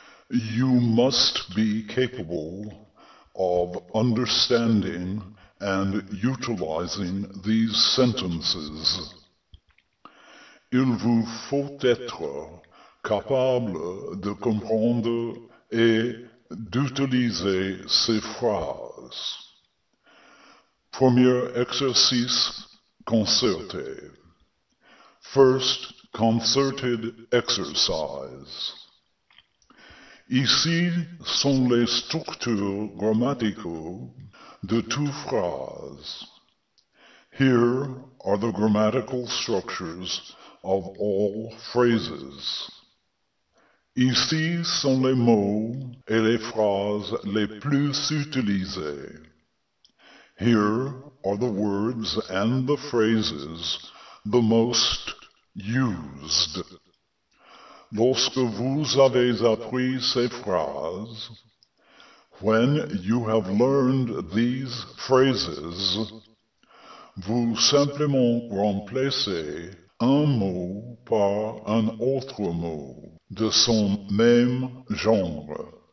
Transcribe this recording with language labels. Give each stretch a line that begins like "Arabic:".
English: You must be capable of understanding and utilizing these sentences.
French: Il vous faut être capable de comprendre et d'utiliser ces phrases. Premier exercice concerté.
English: First concerted exercise.
French: Ici sont les structures grammaticales de toute phrase.
English: Here are the grammatical structures of all phrases.
French: Ici sont les mots et les phrases les plus utilisés.
English: Here are the words and the phrases the most used.
French: Lorsque vous avez appris ces phrases,
English: when you have learned these phrases,
French: vous simplement remplacez un mot par un autre mot de son même genre.